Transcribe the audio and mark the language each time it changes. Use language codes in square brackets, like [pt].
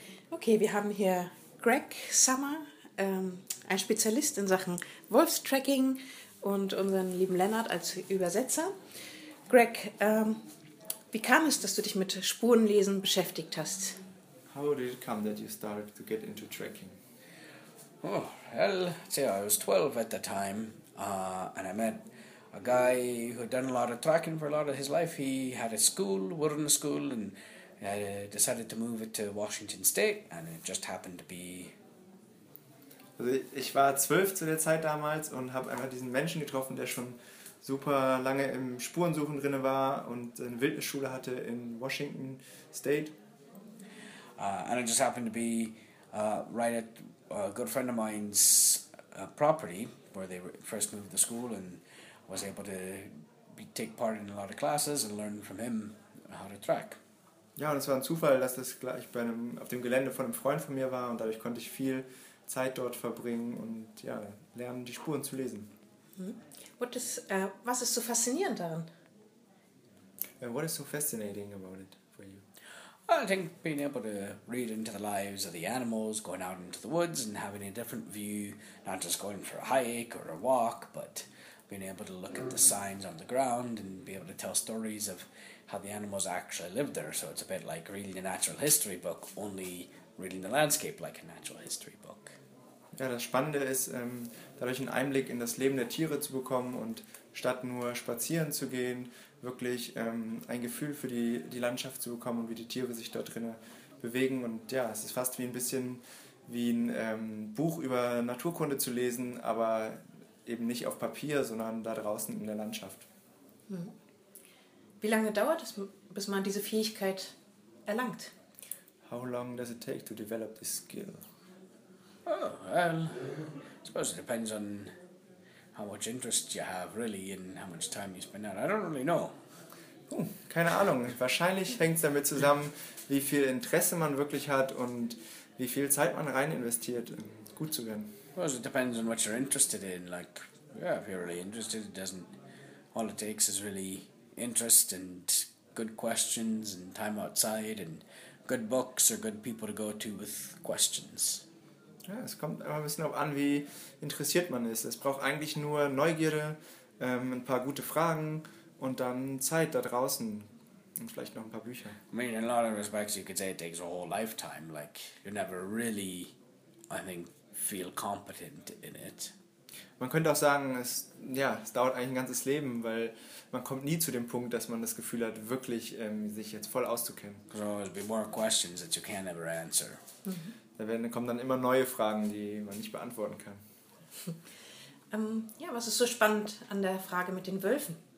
[de] Okay, wir haben hier Greg Summer, ein Spezialist in Sachen Wolfstracking und unseren lieben Lennart als Übersetzer. Greg, wie kam es, dass du dich mit Spurenlesen beschäftigt hast? [en] How did it come that you started to get into tracking? Oh, well, say I was 12 at the time, and I met a guy who had done a lot of tracking for a lot of his life. He had a school, wooden school, and decided to move it to Washington State, and it just happened to be... [de] Also ich war 12 zu der Zeit damals und habe einfach diesen Menschen getroffen, der schon super lange im Spurensuchen drin war und eine Wildnisschule hatte in Washington State. [en] And it just happened to be right at a good friend of mine's property where they first moved the school, and was able to take part in a lot of classes and learn from him how to track. [de] Ja, und es war ein Zufall, dass das gleich bei einem, auf dem Gelände von einem Freund von mir war, und dadurch konnte ich viel Zeit dort verbringen und ja, lernen, die Spuren zu lesen. Was ist so faszinierend daran? [en] What is so fascinating about it for you? I think being able to read into the lives of the animals, going out into the woods and having a different view, not just going for a hike or a walk, but being able to look at the signs on the ground and be able to tell stories of how the animals actually lived there. So it's a bit like reading a natural history book, only reading the landscape like a natural history book. [de] Ja, das Spannende ist, dadurch einen Einblick in das Leben der Tiere zu bekommen und statt nur spazieren zu gehen, wirklich ein Gefühl für die Landschaft zu bekommen und wie die Tiere sich dort drinnen bewegen. Und ja, es ist fast wie ein bisschen wie ein Buch über Naturkunde zu lesen, aber eben nicht auf Papier, sondern da draußen in der Landschaft. Wie lange dauert es, bis man diese Fähigkeit erlangt? [en] How long does it take to develop this skill? Oh, well, I suppose it depends on how much interest you have, really, and how much time you spend out. I don't really know. [de] Keine Ahnung. Wahrscheinlich hängt es damit zusammen, wie viel Interesse man wirklich hat und wie viel Zeit man rein investiert, um gut zu werden. [en] Well, it depends on what you're interested in. Like, yeah, if you're really interested, it doesn't... All it takes is really interest and good questions and time outside and good books or good people to go to with questions. [de] Ja, es kommt immer ein bisschen darauf an, wie interessiert man ist. Es braucht eigentlich nur Neugierde, ein paar gute Fragen und dann Zeit da draußen und vielleicht noch ein paar Bücher. [en] I mean, in a lot of respects, you could say it takes a whole lifetime. Like, you never really, I think, feel competent in it. [de] Man könnte auch sagen, es dauert eigentlich ein ganzes Leben, weil man kommt nie zu dem Punkt, dass man das Gefühl hat, wirklich sich jetzt voll auszukennen. [en] So, there'll be more questions that you can't ever answer. [de] Kommen dann immer neue Fragen, die man nicht beantworten kann. Ja, was ist so spannend an der Frage mit den Wölfen?